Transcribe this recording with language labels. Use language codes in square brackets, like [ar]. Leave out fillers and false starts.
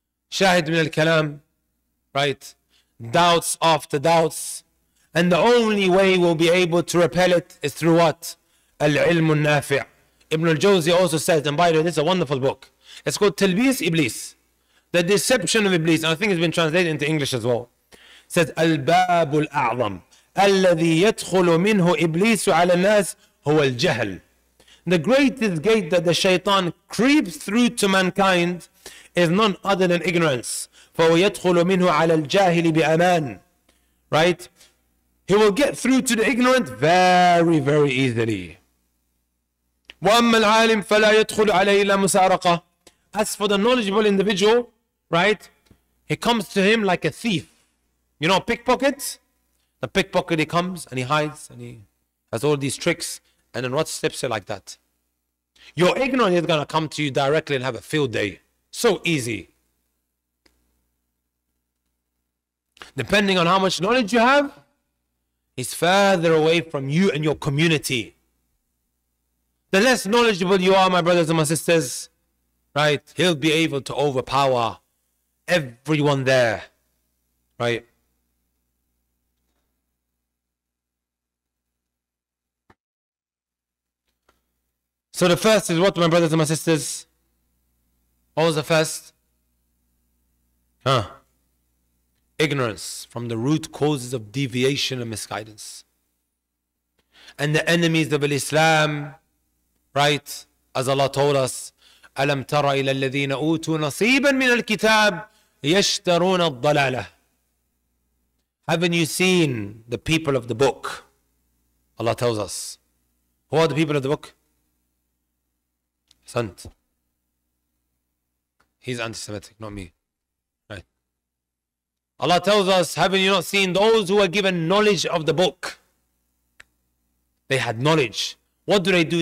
[en] Shahid min al-kalam, right? Doubts after doubts. And the only way we'll be able to repel it is through what? Al-ilm al-nafi'. Ibn al-Jawzi also says, and by the way, this is a wonderful book. It's called Talbis Iblis. The Deception of Iblis. And I think it's been translated into English as well. It says, [ar] al-bab al-a'zam الذي يدخل منه إبليس على الناس هو الجهل. [en] The greatest gate that the shaitan creeps through to mankind is none other than ignorance. [ar] فهو يدخل منه على الجاهل بأمان. [en] Right? He will get through to the ignorant very, very easily. [ar] وأما العالم فلا يدخل عليه إلا مسارقة. [en] As for the knowledgeable individual, right? He comes to him like a thief. You know, pickpocket? The pickpocket, he comes and he hides and he has all these tricks and then what slips it like that? Your ignorance is going to come to you directly and have a field day. So easy. Depending on how much knowledge you have, he's further away from you and your community. The less knowledgeable you are, my brothers and my sisters, right? He'll be able to overpower everyone there, right? So the first is what, my brothers and my sisters? What was the first? Ignorance from the root causes of deviation and misguidance. And the enemies of Islam, right? As Allah told us, [ar] أَلَمْ تَرَ إِلَى الَّذِينَ أُوتُوا نَصِيبًا مِنَ الْكِتَابِ يَشْتَرُونَ الضَّلَالَةِ. [en] Haven't you seen the people of the book? Allah tells us. Who are the people of the book? Sant. He's anti-Semitic, not me. Right. Allah tells us, haven't you not seen those who were given knowledge of the book? They had knowledge. What do?